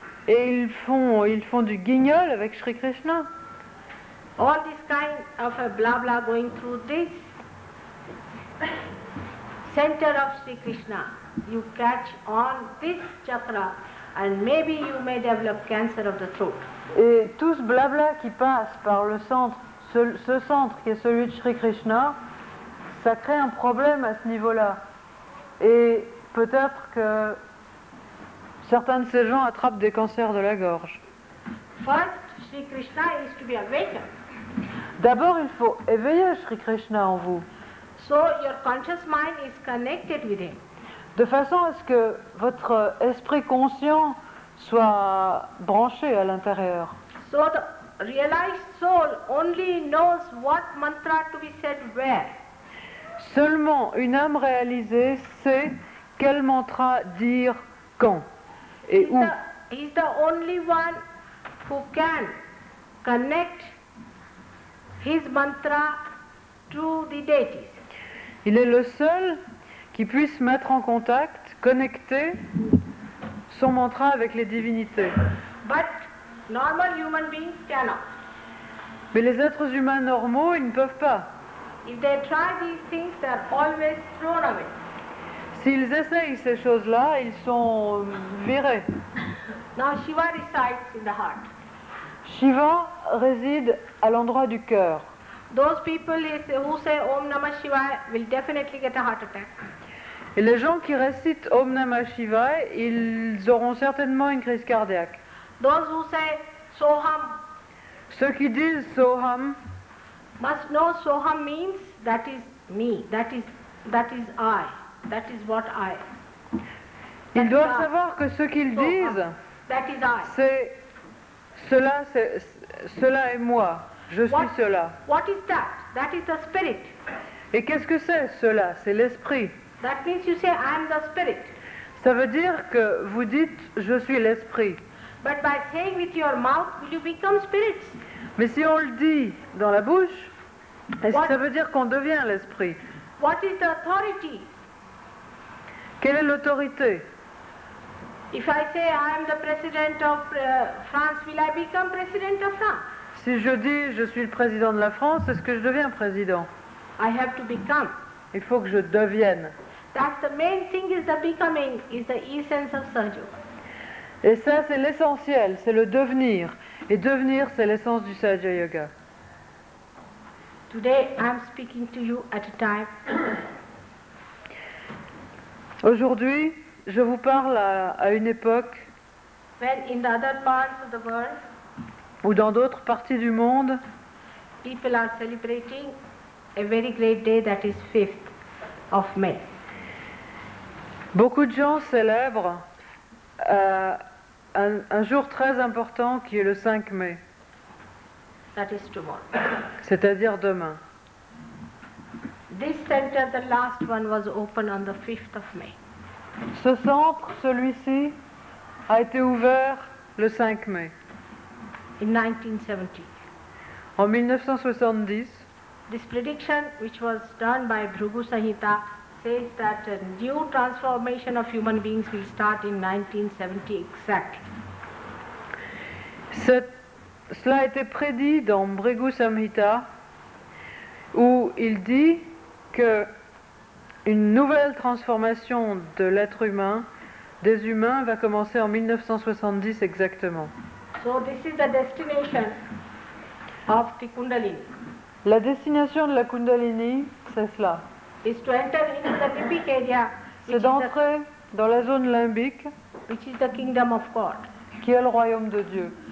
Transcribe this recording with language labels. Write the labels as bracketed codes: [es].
[fr] Et ils font du guignol avec Shri Krishna. [en] All this kind of a blah blah going through this center of Shri Krishna, you catch on this chakra. And maybe you may develop cancer of the throat. [fr] Et tout ce blabla qui passe par le centre, ce centre qui est celui de Shri Krishna, ça crée un problème à ce niveau-là. Et peut-être que certains de ces gens attrapent des cancers de la gorge. [en] First, Shri Krishna is to be awakened. [fr] D'abord, il faut éveiller Shri Krishna en vous. [en] So your conscious mind is connected with him. [fr] De façon à ce que votre esprit conscient soit branché à l'intérieur. [en] So the realized soul only knows what mantra to be said where. [fr] Seulement une âme réalisée sait quel mantra dire quand et [en] he's [fr] où. [en] He's the only one who can connect his mantra to the deities. [fr] Il est le seul qui puisse mettre en contact, connecter son mantra avec les divinités. [en] But normal human beings cannot. [fr] Mais les êtres humains normaux, ils ne peuvent pas. [en] If they try these things, they are always thrown away. [fr] S'ils essayent ces choses-là, ils sont virés. [en] Now Shiva resides in the heart. [fr] Shiva réside à l'endroit du cœur. [en] Those people who say Om Namah Shivaya will definitely get a heart attack. [fr] Et les gens qui récitent Om Namah Shivaya, ils auront certainement une crise cardiaque. [en] Those who say Soham. [fr] Ceux qui disent Soham. [en] Must know Soham means that is me, that is I. That is what I. [fr] Ils doivent savoir que ce qu'ils disent, [en] that is I. [fr] Cela est moi. Je suis [en] what, [fr] cela. [en] What is that? That is the spirit. [fr] Et qu'est-ce que c'est cela? C'est l'esprit. [en] That means you say I am the spirit. [fr] Ça veut dire que vous dites je suis l'esprit. [en] But by saying with your mouth, will you become spirits? [fr] Mais si on le dit dans la bouche, est-ce que ça veut dire qu'on devient l'esprit? [en] What is the authority? [fr] Quelle est l'autorité? [en] If I say I am the president of France, will I become president of France? [fr] Si je dis je suis le président de la France, est-ce que je deviens président? [en] I have to become. [fr] Il faut que je devienne. [en] That's the main thing is the becoming, is the essence of Sahaja. [fr] Et ça, c'est l'essentiel, c'est le devenir. Et devenir, c'est l'essence du Sahaja Yoga. [en] Today, I'm speaking to you at a time. [fr] Aujourd'hui, je vous parle à une époque [en] when in the other parts of the world, [fr] ou dans d'autres parties du monde, [en] people are celebrating a very great day that is 5th of May. [fr] Beaucoup de gens célèbrent un jour très important qui est le 5 mai. [en] That is tomorrow. [fr] C'est-à-dire demain. [en] This center, the last one, was open on the 5th of May. [fr] Ce centre, celui-ci, a été ouvert le 5 mai. [en] In 1970. [fr] En 1970. [en] This prediction, which was done by Bhrigu Sanhita, says that a new transformation of human beings will start in 1970 exactly. [fr] Cela a été prédit dans Bhrigu Sanhita, où il dit que une nouvelle transformation de l'être humain, des humains, va commencer en 1970 exactement. [en] So this is the destination of the Kundalini. [fr] La destination de la Kundalini, c'est cela. [en] Is to enter into the limbic area, [fr] c'est d'entrer dans la zone limbique, [en] which is the kingdom of God. [fr] Qui est le royaume de Dieu.